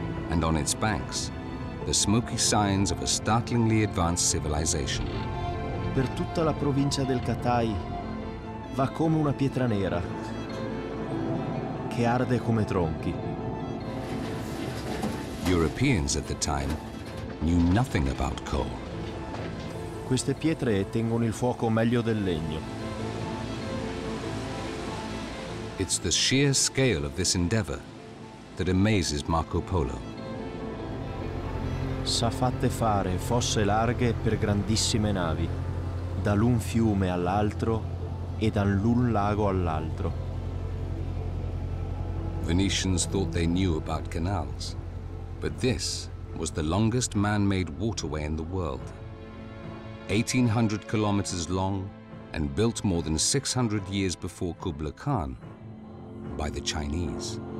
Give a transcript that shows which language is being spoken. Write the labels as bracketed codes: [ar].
[en] And on its banks, the smoky signs of a startlingly advanced civilization. [it] Per tutta la provincia del Katai va come una pietra nera che arde come tronchi. [en] Europeans at the time knew nothing about coal. [it] Queste pietre tengono il fuoco meglio del legno. [en] It's the sheer scale of this endeavor that amazes Marco Polo. [it] Sa fatte fare fosse larghe per grandissime navi, dall'un fiume all'altro e dall'un lago all'altro. [en] Venetians thought they knew about canals, but this was the longest man-made waterway in the world. 1,800 kilometers long and built more than 600 years before Kublai Khan, by the Chinese.